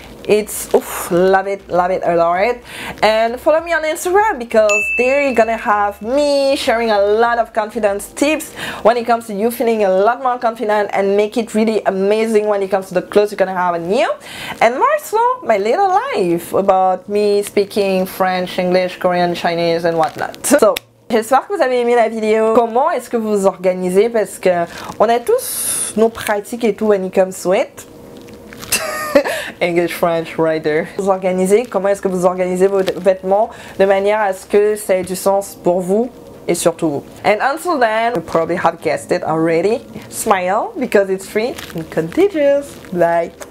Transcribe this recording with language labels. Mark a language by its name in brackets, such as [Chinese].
[English] It's, love it a lot. And follow me on Instagram, because there you're gonna have me sharing a lot of confidence tips when it comes to you feeling a lot more confident and make it really amazing when it comes to the clothes you're gonna have on you. And more so, my little life about me speaking French, English, Korean, Chinese and whatnot. [French] So, j'espère que vous avez aimé la vidéo. Comment est-ce que vous vous organisez? Parce que on a tous nos pratiques et tout [English] when it comes to it. English, French, writer. [French] Vous organisez, comment est-ce que vous organisez vos vêtements de manière à ce que ça ait du sens pour vous et surtout vous. [English] And until then, you probably have guessed it already. Smile, because it's free and contagious. Bye.